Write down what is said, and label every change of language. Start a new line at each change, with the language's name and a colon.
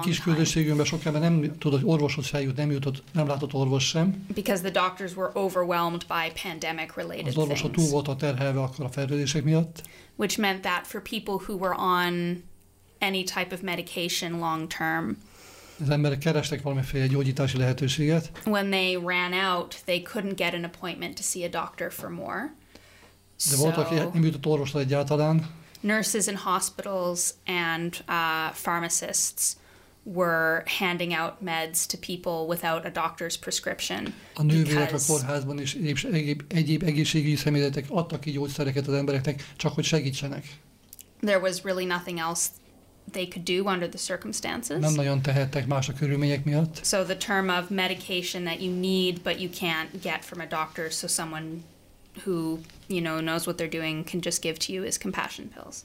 Hungarian: A kis közösségünkben sok ember nem tudott orvoshoz feljutni, nem látott orvos sem.
English: Because the doctors were overwhelmed by pandemic-related things.
Hungarian: Az orvos túl volt a terhelve akkor a fertőzések miatt.
English: Which meant that for people who were on any type of medication long-term,
Hungarian: az emberek kerestek valamiféle gyógyítási lehetőséget.
English: When they ran out, they couldn't get an appointment to see a doctor for more.
Hungarian: De volt, aki nem jutott orvosra egyáltalán.
English: Nurses in hospitals and pharmacists were handing out meds to people without a doctor's prescription.
Hungarian: A nővérek a kórházban is egyéb egészségügyi személyzetek adtak ki gyógyszereket az embereknek, csak hogy segítsenek.
English: There was really nothing else they could do under the circumstances.
Hungarian: Nem nagyon tehettek más a körülmények miatt.
English: So the term of medication that you need but you can't get from a doctor, so someone who, you know, knows what they're doing can just give to you is compassion pills.